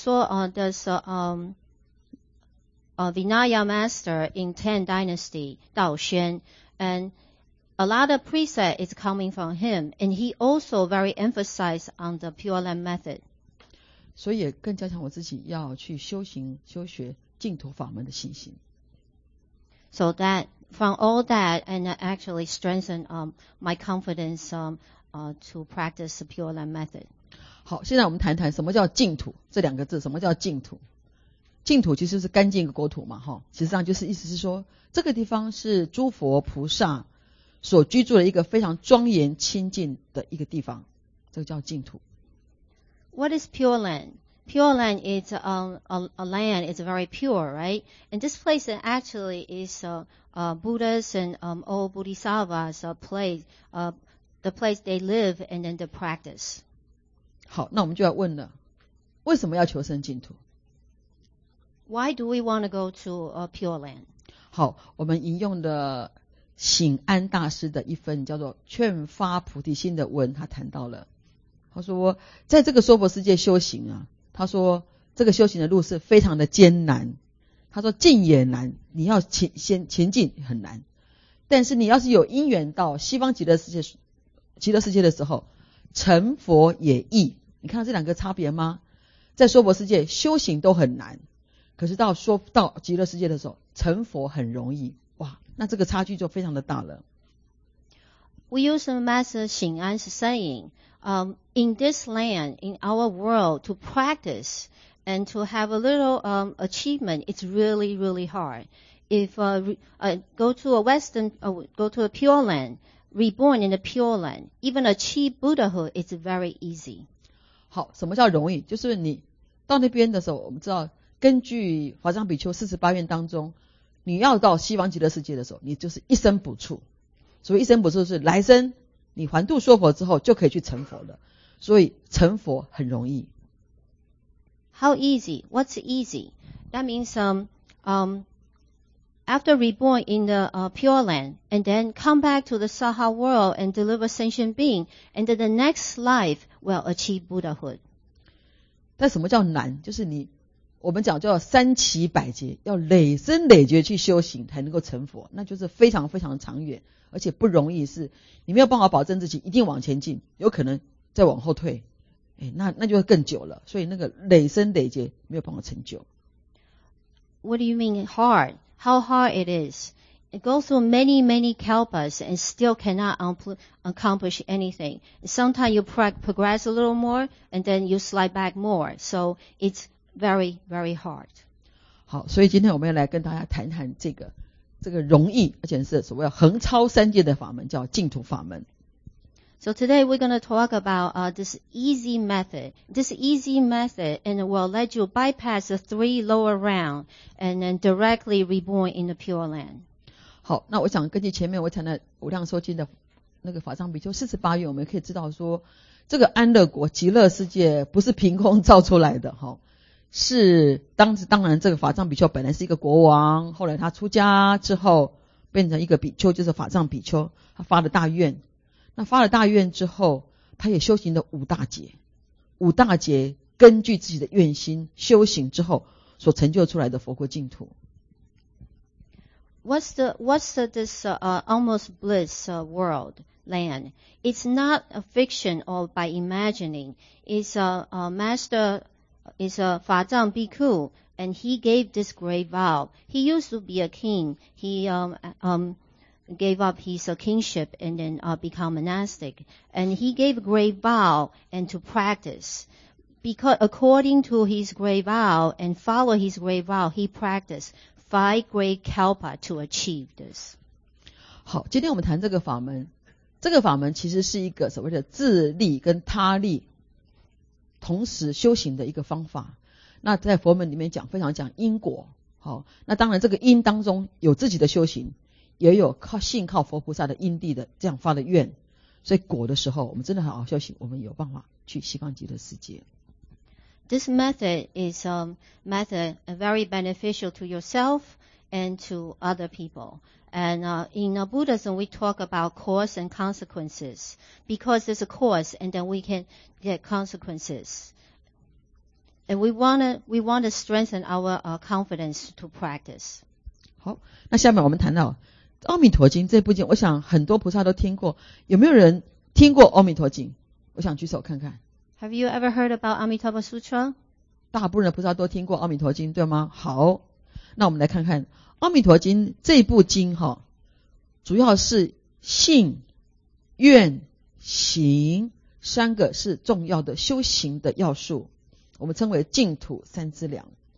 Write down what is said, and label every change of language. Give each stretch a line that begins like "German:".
English: I saw there's Vinaya Master in Tang Dynasty, 道宣 and a lot of precept is coming from him, and he also very emphasized on the Pure Land method.
Chinese: 所以也更加强我自己要去修行、修学净土法门的信心。
English: So that from all that, and actually strengthen my confidence to practice the Pure Land method.
Chinese: 好，现在我们谈谈什么叫净土这两个字。什么叫净土？净土其实是干净的国土嘛，哈。其实上就是意思是说，这个地方是诸佛菩萨所居住的一个非常庄严清净的一个地方，这个叫净土。
English: What is Pure Land? Pure land is a land is very pure, right? And this place actually is Buddhas and all Bodhisattvas the place they live and then the practice.
Chinese: 好，那我们就要问了，为什么要求生净土？
English: Why do we want to go to a pure land?
Chinese: 好，我们引用的醒安大师的一份叫做《劝发菩提心》的文，他谈到了，他说在这个娑婆世界修行啊，他说这个修行的路是非常的艰难，他说进也难，你要前进很难，但是你要是有因缘到西方极乐世界的时候，成佛也易。你看到这两个差别吗？在娑婆世界修行都很难，可是到极乐世界的时候成佛很容易。哇，那这个差距就非常的大了。
English: We use the Master 醒安 's saying, in this land, in our world, to practice and to have a little achievement, it's really, really hard. If go to a pure land, reborn in a pure land, even achieve Buddhahood, it's very easy.
Chinese: 好，什么叫容易？就是你到那边的时候，我们知道根据华藏比丘48愿当中，你要到西方极乐世界的时候，你就是一生不处。所以一生不处是来生你还度娑婆之后就可以去成佛了，所以成佛很容易。
English: How easy? What's easy? That means after reborn in the pure land and then come back to the Saha world and deliver sentient being and then the next life will achieve Buddhahood.
Chinese: 但什么叫难？就是你我们讲叫三期百劫，要累生累劫去修行才能够成佛，那就是非常非常长远，而且不容易，是你没有办法保证自己一定往前进，有可能再往后退，那就更久了，所以那个累生累劫没有办法成就。
English: What do you mean hard? How hard it is? It goes through many many kalpas and still cannot accomplish anything. Sometimes you progress a little more and then you slide back more, so it'svery, very hard.
Chinese: 好，所以今天我们要来跟大家谈谈这个容易，而且是所谓横超三界的法门，叫净土法门。
English: So today we're going to talk about this easy method. This easy method and will let you bypass the three lower realms and then directly reborn in the pure land.
Chinese: 好，那我想根据前面我谈的无量寿经的那个法藏比丘四十八愿，我们可以知道说，这个安乐国极乐世界不是凭空造出来的哈，是当然这个法藏比丘本来是一个国王，后来他出家之后变成一个比丘，就是法藏比丘，他发了大愿。那发了大愿之后，他也修行了五大劫，五大劫根据自己的愿心修行之后所成就出来的佛国净土。
English: What's this almost bliss world land? It's not a fiction or by imagining. It's a master, it's a 法藏比丘, and he gave this great vow. He used to be a king. He gave up his kingship and then become monastic. And he gave a great vow and to practice. Because according to his great vow and follow his great vow, he practiced. Five great kalpa to achieve this.
Chinese: 好，今天我们谈这个法门。这个法门其实是一个所谓的自利跟他利同时修行的一个方法。那在佛门里面讲，非常讲因果。好，那当然这个因当中有自己的修行，也有靠信靠佛菩萨的因地的这样发的愿。所以果的时候，我们真的很好修行，我们有办法去西方极乐世界。
English: This method is a method very beneficial to yourself and to other people. And in Buddhism, we talk about cause and consequences. Because there's a cause, and then we can get consequences. And we want to strengthen our confidence to practice.
Chinese: 好，那下面我们谈到《阿弥陀经》这部经，我想很多菩萨都听过。有没有人听过《阿弥陀经》？我想举手看看。
English: Have you ever heard about Amitabha Sutra?
Chinese: 大部分的菩萨都听过阿弥陀经，对吗？好，那我们来看看阿弥陀经这部经哈，主要是信、愿、行三个是重要的修行的要素，我们称为净土三资粮。